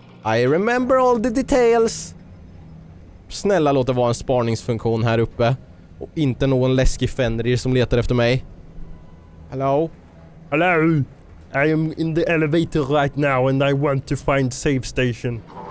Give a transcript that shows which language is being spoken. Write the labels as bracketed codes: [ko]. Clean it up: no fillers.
[en] I remember all the details. [sv] Snälla, låt det vara en spaningsfunktion här uppe. Och inte någon läskig Fenrir som letar efter mig. [en] Hello? Hello? I am in the elevator right now and I want to find safe station.